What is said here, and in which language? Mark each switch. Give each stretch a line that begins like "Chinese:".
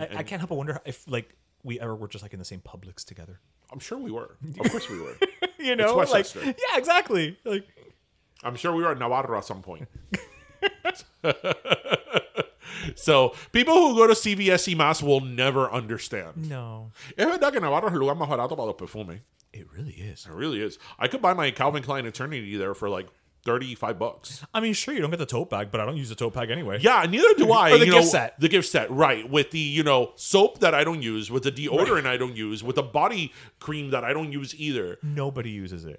English: I can't help but wonder if like we ever were just like in the same Publix together. I'm sure we were. Of course we were. You know, it's like, yeah, exactly. Like, I'm sure we were at Navarro at some point. So people who go to CVS y Más will never understand. No.
Spanish: Es verdad que Navarro es el lugar más barato para los perfumes.
English: It really is. It really is. I could buy my Calvin Klein Eternity there for like $35. I mean, sure, you don't get the tote bag, but I don't use the tote bag anyway. Yeah, neither do I. Or the gift set. The gift set, right. With the, you know, soap that I don't use, with the deodorant I don't use, with the body cream that I don't use either. Nobody uses it.